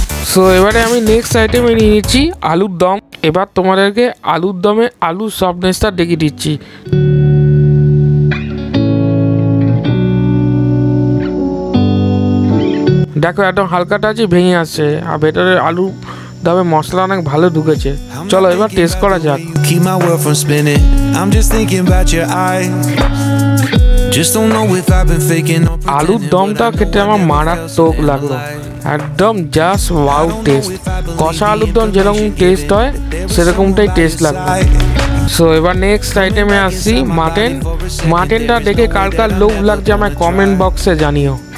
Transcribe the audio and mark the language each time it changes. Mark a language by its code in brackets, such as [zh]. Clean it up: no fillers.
[bn] So এবারে আমি next আইটেমে নিয়ে নিচ্ছি আলুর দম। এবার তোমাদেরকে আলুর দমে আলুর সফটনেসটা দেখিয়ে দিচ্ছি। দেখো একদম হালকাটা আছে, ভেঙে আসছে, আর ভেতরে আলু দমে মশলা অনেক ভালো ঢুকেছে। চলো এবার টেস্ট করা যাক। [en] Keep my world from spinning, I'm just thinking about your eye. Just don't know if I've been faking or pretending. [bn] আলুর দমটা খেতে আমার মারাত্মক লাগলো, একদম জাস্ট ওয়াও টেস্ট। কষা আলুর দম যেরকম টেস্ট হয় সেরকমটাই টেস্ট লাগলো। সো এবার নেক্সট আইটেমে আসছি, মাটন। মাটনটা দেখে কার কার লোভ লাগছে আমায় কমেন্ট বক্সে জানিও।